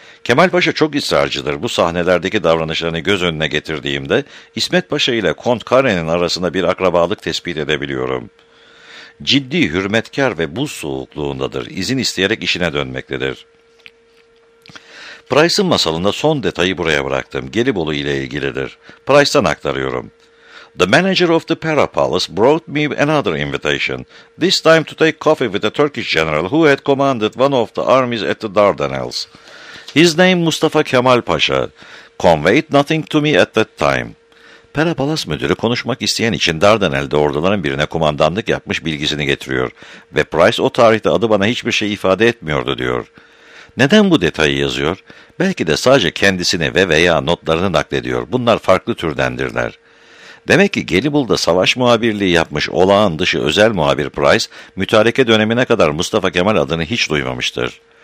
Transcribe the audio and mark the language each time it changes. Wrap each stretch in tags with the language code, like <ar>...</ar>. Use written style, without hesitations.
<tr>Kemal Paşa çok ısrarcıdır. Bu sahnelerdeki davranışlarını göz önüne getirdiğimde İsmet Paşa ile Kont Karen'in arasında bir akrabalık tespit edebiliyorum. Ciddi, hürmetkar ve buz soğukluğundadır. İzin isteyerek işine dönmektedir. Price'ın masalında son detayı buraya bıraktım. Gelibolu ile ilgilidir. Price'tan aktarıyorum.</tr> <en>The manager of the Para Palace brought me another invitation. This time to take coffee with a Turkish general who had commanded one of the armies at the Dardanelles. His name Mustafa Kemal Paşa. Conveyed nothing to me at that time.</en> <tr>Para Palace müdürü konuşmak isteyen için Dardanel'de orduların birine kumandanlık yapmış bilgisini getiriyor ve Price o tarihte adı bana hiçbir şey ifade etmiyordu diyor. Neden bu detayı yazıyor? Belki de sadece kendisini ve veya notlarını naklediyor. Bunlar farklı türdendirler. Demek ki Gelibolu'da savaş muhabirliği yapmış olağan dışı özel muhabir Price, mütareke dönemine kadar Mustafa Kemal adını hiç duymamıştır.</tr>